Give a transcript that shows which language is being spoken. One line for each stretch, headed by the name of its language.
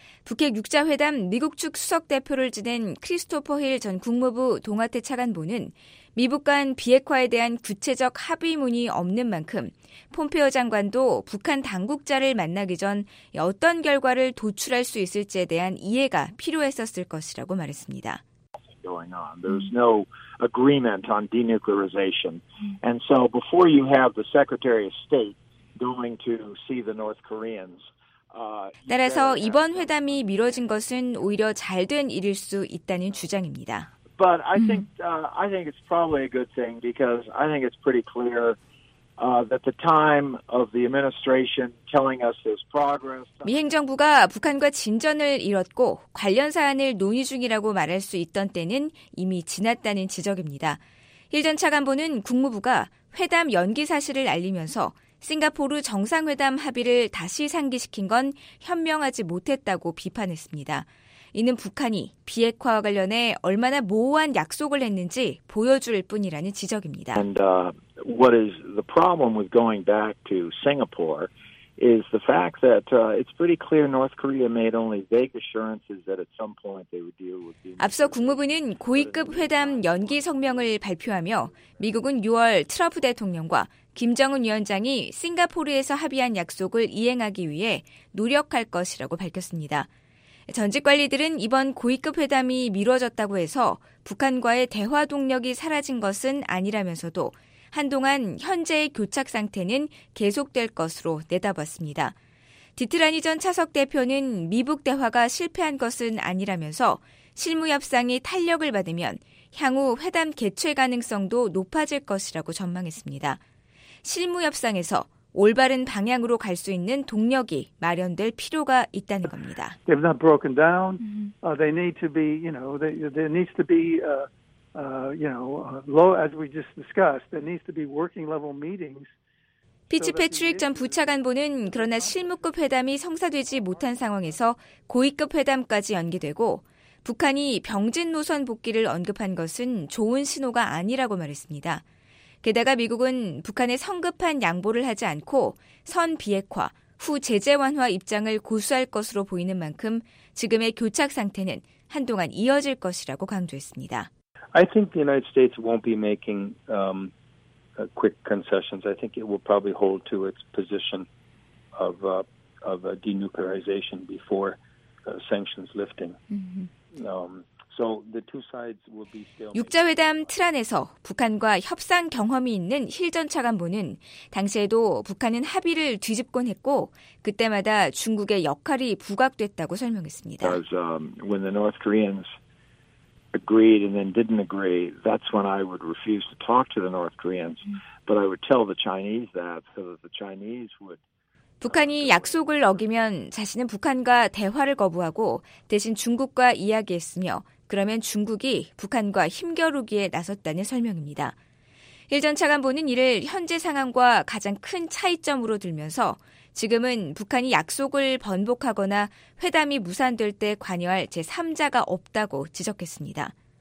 Korean: 북핵 6자 회담 미국 측 수석 대표를 지낸 크리스토퍼 힐 전 국무부 동아태 차관보는 미북 간 비핵화에 대한 구체적 합의문이 없는 만큼 폼페오 장관도 북한 당국자를 만나기 전 어떤 결과를 도출할 수 있을지에 대한 이해가 필요했었을 것이라고 말했습니다.
English: Going on. There's no agreement on denuclearization. And so before you have the Secretary of State going to see the North Koreans,
Korean: 따라서 이번 회담이 미뤄진 것은 오히려 잘된 일일 수 있다는 주장입니다.
English: But I think it's probably a good thing because I think it's pretty clear that the time of the administration telling us there's progress.
Korean: 미 행정부가 북한과 진전을 이뤘고 관련 사안을 논의 중이라고 말할 수 있던 때는 이미 지났다는 지적입니다. 힐 전 차관보는 국무부가 회담 연기 사실을 알리면서 싱가포르 정상회담 합의를 다시 상기시킨 건 현명하지 못했다고 비판했습니다. 이는 북한이 비핵화와 관련해 얼마나 모호한 약속을 했는지 보여줄 뿐이라는 지적입니다.
English: And what is the problem with going back to Singapore is the fact that it's pretty clear North Korea made only vague assurances that at some point they would deal with.
Korean: 앞서 국무부는 고위급 회담 연기 성명을 발표하며 미국은 6월 트럼프 대통령과 김정은 위원장이 싱가포르에서 합의한 약속을 이행하기 위해 노력할 것이라고 밝혔습니다. 전직 관리들은 이번 고위급 회담이 미뤄졌다고 해서 북한과의 대화 동력이 사라진 것은 아니라면서도 한동안 현재의 교착 상태는 계속될 것으로 내다봤습니다. 디트라니 전 차석 대표는 미북 대화가 실패한 것은 아니라면서 실무 협상이 탄력을 받으면 향후 회담 개최 가능성도 높아질 것이라고 전망했습니다. 실무 협상에서 올바른 방향으로 갈 수 있는 동력이 마련될 필요가 있다는 겁니다.
English: They've not broken down. They need to be, you know, there needs to be, you know, low as we just discussed. There needs to be working level meetings.
Korean: 피츠패트릭 전 부차관보는 그러나 실무급 회담이 성사되지 못한 상황에서 고위급 회담까지 연기되고 북한이 병진 노선 복귀를 언급한 것은 좋은 신호가 아니라고 말했습니다. 게다가 미국은 북한에 성급한 양보를 하지 않고 선 비핵화, 후 제재 완화 입장을 고수할 것으로 보이는 만큼 지금의 교착 상태는 한동안 이어질 것이라고 강조했습니다.
English: I think the United States won't be making quick concessions. I think it will probably hold to its position of denuclearization before sanctions lifting. So the two sides will be still.
Korean: 6자 회담 틀 안에서 북한과 협상 경험이 있는 힐 전 차관보는 당시에도 북한은 합의를 뒤집곤 했고 그때마다 중국의 역할이 부각됐다고 설명했습니다.
English: As when the North Koreans agreed and then didn't agree, that's when I would refuse to talk to the North Koreans, but I would tell the Chinese that so that the Chinese would.
Korean: 북한이 약속을 어기면 자신은 북한과 대화를 거부하고 대신 중국과 이야기했으며 그러면 중국이 북한과 힘겨루기에 나섰다는 설명입니다. 힐 전 차관보는 이를 현재 상황과 가장 큰 차이점으로 들면서 지금은 북한이 약속을 번복하거나 회담이 무산될 때 관여할 제3자가 없다고 지적했습니다.